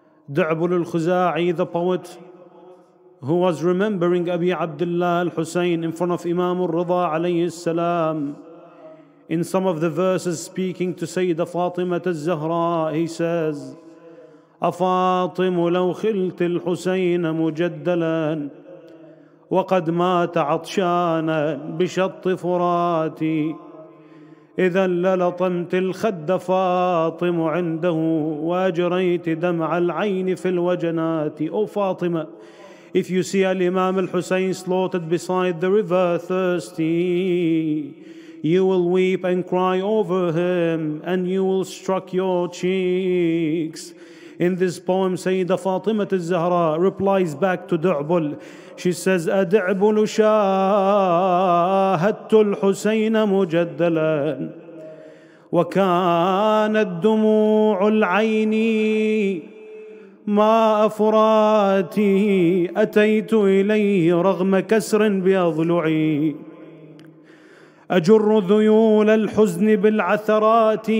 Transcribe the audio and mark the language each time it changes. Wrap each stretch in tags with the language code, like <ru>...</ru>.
<en>Du'bul al-Khuza'i, the poet who was remembering Abi Abdullah al-Husayn in front of Imam al-Rida alayhi salam, in some of the verses speaking to Sayyida Fatima al-Zahra, he says,</en> <ar>أفاطم لو خلت الحسين مجدلا وقد مات عطشانا بشط فراتي، إذا للطمت الخد فاطم عنده وأجريت دمع العين في الوجنات.</ar> <en>أو فاطمة، if you see Imam al-Hussein slaughtered beside the river thirsty, you will weep and cry over him and you will struck your cheeks. In this poem, Sayyida Fatima al-Zahra replies back to Du'bul. She says,</en> <ar>أدعبل شاهدت الحسين مجدلا وكانت دموع العين ماء فراتي، أتيت إليه رغم كسر بأضلعي، أجر ذيول الحزن بالعثرات.</ar>